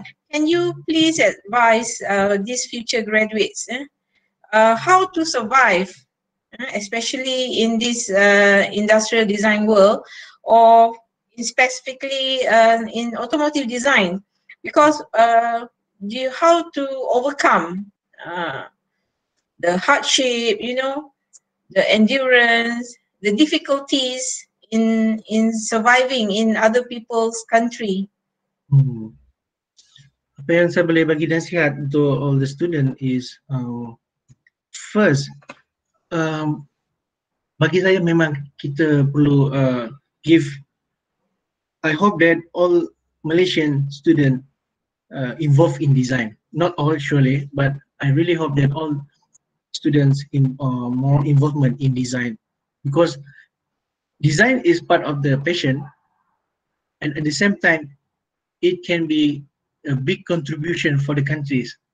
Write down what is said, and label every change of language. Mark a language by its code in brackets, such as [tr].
[en] Can you please advise these future graduates how to survive, especially in this industrial design world, or specifically in automotive design? Because how to overcome the hardship, you know, the endurance, the difficulties in surviving in other people's country. Hmm. [ms] Apa yang saya boleh bagi nasihat untuk [en] all the student is, first, [ms] bagi saya memang kita perlu give. [en] I hope that all Malaysian student involved in design. Not all surely, but I really hope that all students in more involvement in design, because design is part of the passion, and at the same time it can be a big contribution for the countries.